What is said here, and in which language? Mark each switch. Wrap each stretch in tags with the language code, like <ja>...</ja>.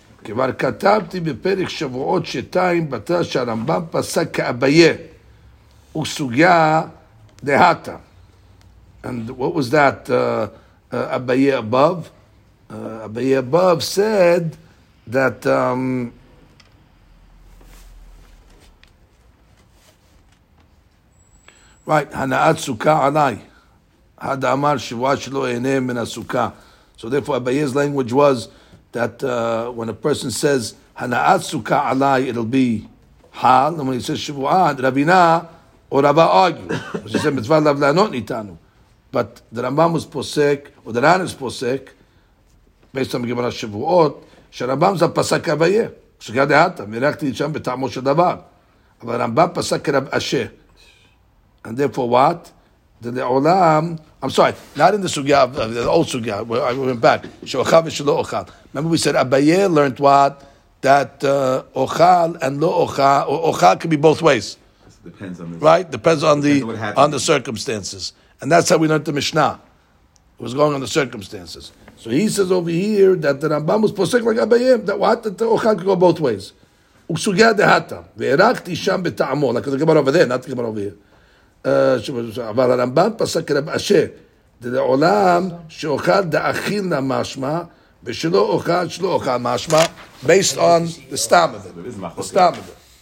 <he>כבר כתבתי בפרק שבועות שתיים בתא שהרמב״ם פסק כאביה וסוגיה דהתה.</he> <en>And what was that אביה above? אביה above said that right,</en> <he>הנאת סוכה עליי. עד אמר שבועה שלא אהנה מן הסוכה.</he> <en>So therefore אביה's language was that when a person says</en> <he>Hana'at Sukkah Alai,</he> <en>it'll be Hal, and when he says Shavu'ah, Rabina or Rabba argue. He said</en> <he>Mitzvah Lav La'anot Nitanu,</he> <en>but the Rambam was posek, or the Ran is posek, based on the Gemara Shavu'ot, Sharambam is a pasak Abaye.</en> <he>Sukkah Dehata, Mirakti Yisham B'Tamo Shel Davar,</he> <en>but Rambam pasak Rab Asher, and therefore what? The Le'olam, I'm sorry, not in the sugyah, the old sugyah, where I went back.</en> <he>She'ochal v'shelo ochal.</he> <en>Remember we said Abaye learned what? That ochal and lo ochal, ochal can be both ways. Depends on the, right? Depends on the on the circumstances. And that's how we learned the Mishnah. It was going on the circumstances. So he says over here that the Rambam was posek like Abaye, that what? That the ochal could go both ways.</en> <he>Uksugyah dehata. Ve'erachti sham b'ta'amo.</he> <en>Like the Gemara over there, not the Gemara over here.</en> <he>אבל הרמב״ם פסק רב אשר לעולם שאוכל דאכיל למשמע ושלא אוכל שלא אוכל משמע</he> <en>based on the stam of it.</en>